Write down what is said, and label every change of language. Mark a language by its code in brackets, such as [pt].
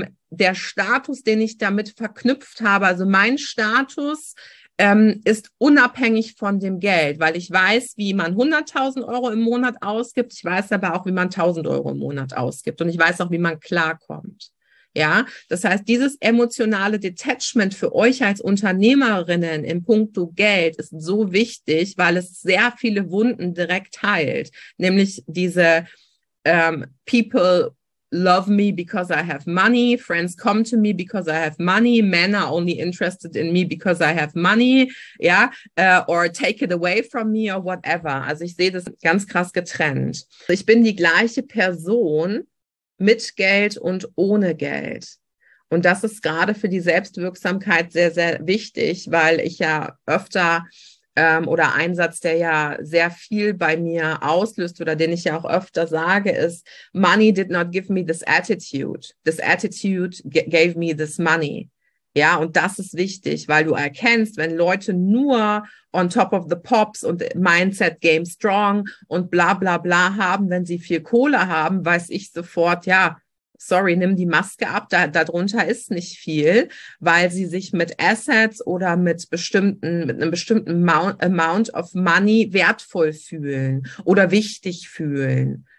[de] Der Status, den ich damit verknüpft habe, also mein Status, ist unabhängig von dem Geld, weil ich weiß, wie man 100.000 Euro im Monat ausgibt. Ich weiß aber auch, wie man 1.000 Euro im Monat ausgibt. Und ich weiß auch, wie man klarkommt. Ja, das heißt, dieses emotionale Detachment für euch als Unternehmerinnen in puncto Geld ist so wichtig, weil es sehr viele Wunden direkt heilt. Nämlich diese [en] People love me because I have money, friends come to me because I have money, men are only interested in me because I have money, yeah, or take it away from me or whatever. [de] Also ich sehe das ganz krass getrennt. Ich bin die gleiche Person mit Geld und ohne Geld. Und das ist gerade für die Selbstwirksamkeit sehr, sehr wichtig, weil ich ja öfter oder ein Satz, der ja sehr viel bei mir auslöst oder den ich ja auch öfter sage, ist, [en] money did not give me this attitude. This attitude gave me this money. [de] Ja, und das ist wichtig, weil du erkennst, wenn Leute nur [en] on top of the pops [de] und [en] Mindset game strong [de] und bla bla bla haben, wenn sie viel Kohle haben, weiß ich sofort, ja, sorry, nimm die Maske ab, darunter ist nicht viel, weil sie sich mit Assets oder mit einem bestimmten [en] Amount of Money [de] wertvoll fühlen oder wichtig fühlen.